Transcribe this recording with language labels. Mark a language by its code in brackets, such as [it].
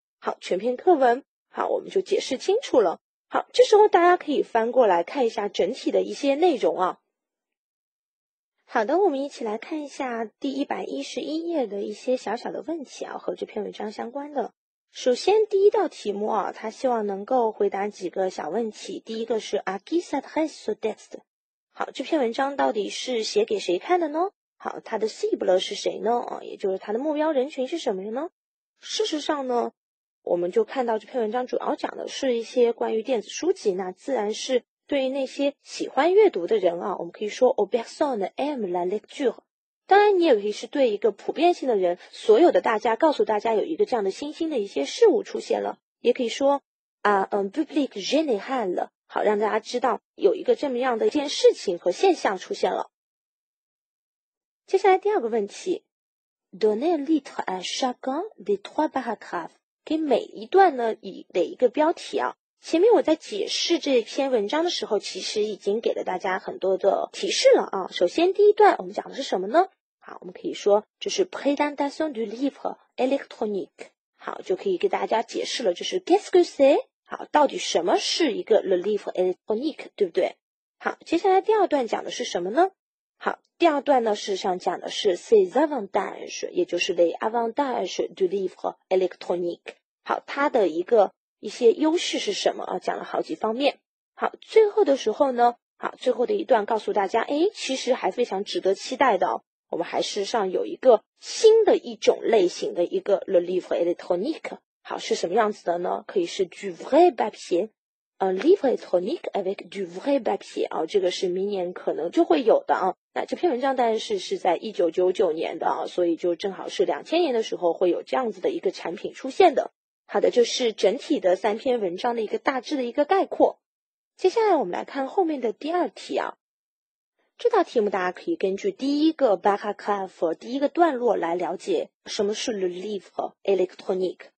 [zh] 好，全篇课文好我们就解释清楚了。好，这时候大家可以翻过来看一下整体的一些内容啊。好的，我们一起来看一下第111页的一些小小的问题啊，和这篇文章相关的。首先第一道题目啊，他希望能够回答几个小问题。第一个是 [fr] A qui s'adresse ce texte？ [zh] 好，这篇文章到底是写给谁看的呢？好，他的 cible 是谁呢？也就是他的目标人群是什么呢？事实上呢，我们就看到这篇文章主要讲的是一些关于电子书籍，那自然是对于那些喜欢阅读的人啊，我们可以说 [fr] aux personnes aiment la lecture。 [zh] 当然你也可以是对一个普遍性的人，所有的大家，告诉大家有一个这样的新兴的一些事物出现了，也可以说啊 [fr] public général， [zh] 好让大家知道有一个这么样的一件事情和现象出现了。接下来第二个问题， [fr] donner litre à chacun des trois paragraphes， [zh] 给每一段呢以哪一个标题啊。前面我在解释这篇文章的时候，其实已经给了大家很多的提示了啊。首先第一段我们讲的是什么呢？好，我们可以说这是 [fr] présentation du livre électronique。 [zh] 好，就可以给大家解释了，就是 [fr] qu'est-ce que c'est？ [zh] 好，到底什么是一个 [fr] le livre électronique， [zh] 对不对？好，接下来第二段讲的是什么呢？好，第二段呢，事实上讲的是 [fr] ses avantages， [zh] 也就是 [fr] les avantages du livre électronique。 [zh] 好，它的一些优势是什么啊，讲了好几方面。好，最后的时候呢，好，最后的一段告诉大家，诶，其实还非常值得期待的哦，我们还事实上有一个新的一种类型的一个 [fr] le livre électronique。 [zh] 好，是什么样子的呢？可以是 [fr] du vrai papier， un livre électronique avec du vrai papier， [zh] 哦，这个是明年可能就会有的啊。那这篇文章当然是在1999年的啊，所以就正好是2000年的时候会有这样子的一个产品出现的。好的，就是整体的三篇文章的一个大致的一个概括。接下来我们来看后面的第二题啊。这道题目大家可以根据第一个 paragraph 第一个段落来了解什么是 [fr] le livre électronique。